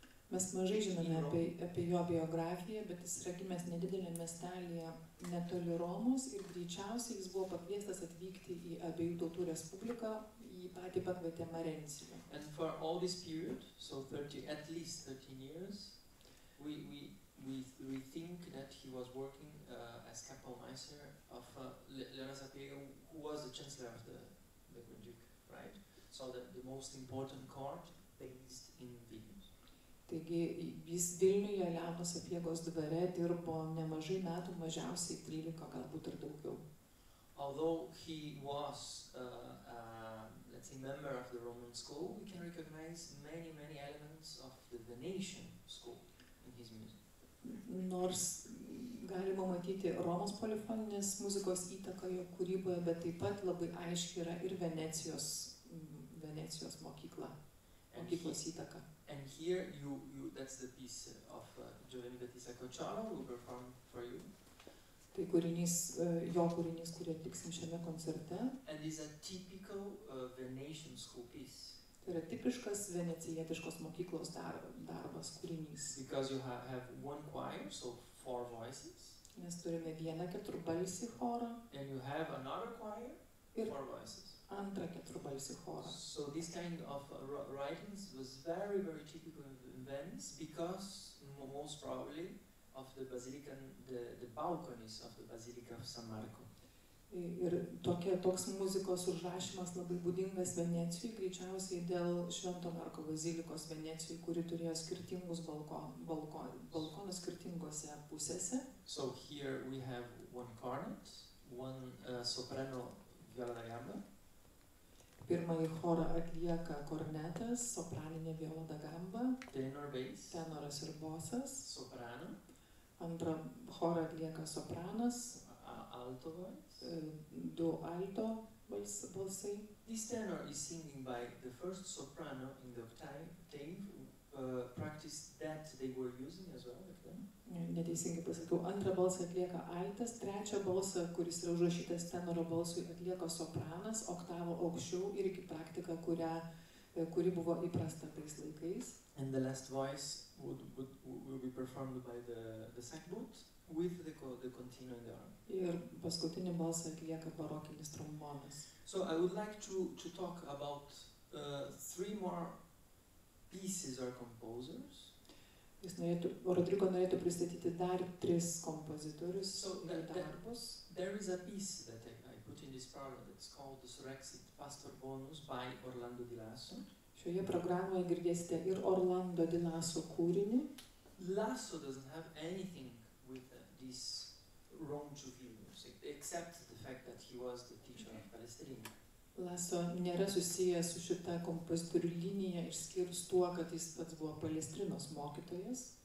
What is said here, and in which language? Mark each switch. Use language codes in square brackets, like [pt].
[lt] Mes mažai žinome apie jo biografiją, bet jis yra gimęs nedidelė miestelėje netoli Romos ir greičiausiai jis buvo pakviestas atvykti į abiejų tautų respubliką, į patį pakvietę Marenzio. [en] And for all this period, so 30, at least 13 years, we think that he was working as kapelmeister of Leona Sapiega, who was the chancellor of the Grand Duke, right? So the most important court based in Vilnius. [lt] Taigi jis Vilniuje Leono Sapiegos dvare dirbo nemažai metų, mažiausiai 13, galbūt ir daugiau. [en] Although he was let's say member of the Roman school, we can recognize many, many elements of the Venetian school in his music. [lt] Nors galima matyti Romos polifoninės muzikos įtaką jo kūryboje, bet taip pat labai aiškiai yra ir Venecijos mokyklos įtaka. [en] And here you that's the piece of Giovanni Battista Cocciola who perform for you. [lt] Tai kūrinys, jo kūrinys, kurį atliksim šiame koncerte. [en] And is a typical Venetian school piece. [lt] Tai yra tipiškas venecijietiškos mokyklos darbas kūrinys. [en] Because you have one choir, so 4 voices. [lt] Mes turime vieną keturbalsį chorą. [en] And you have another choir, [lt] ir [en] 4 voices. [lt] Antrą keturbalsį chorą. [en] So this kind of writings was very, very typical in Venice because most probably of the Basilican, the balconies of the Basilica of San Marco. [lt] Ir toks muzikos užrašymas labai būdingas Venecijui, greičiausiai dėl Švento Marko bazilikos Venecijui, kuri turėjo skirtingus balkonus skirtingose pusėse. [en] So here we have one cornet, one soprano viola da gamba. [lt] Pirmąjį chorą atlieka kornetas, sopraninė viola da gamba. [en] Tenor bass. [lt] Tenoras ir bosas. [en] Soprano. [lt] Antrą chorą atlieka sopranas. [en] Alto voice. [lt] Du alto balsai. [en] This tenor is singing by the first soprano in the octave, practice that they were using as well with them. [lt] Neteisingai pasakiau, antrą balsą atlieka altas, trečią balsą, kuris yra užrašytas tenoro balsui, atlieka sopranas, oktavo aukščiau, irgi praktika, kuri buvo įprasta tais laikais. [en] And the last voice will be performed by the sackbut with the continuo in the arm. [lt] Ir paskutinį balsą atlieka barokinis trombonas. [en] So I would like to talk about 3 more pieces or composers. [lt] Rodrigo norėtų pristatyti dar 3 kompozitorius ir darbus. [en] There is a piece that I put in this program that's called the Surrexit Pastor Bonus by Orlando Di Lasso. [lt] Šioje programoje girdėsite ir Orlando di Lasso kūrinį. [en] Lasso doesn't have anything with these wrong Jew views, except the fact that he was the teacher of Palestine. [lt] Lasso nėra susijęs su šita kompozitorių linija, išskyrus tuo, kad jis pats buvo Palestrinos mokytojas.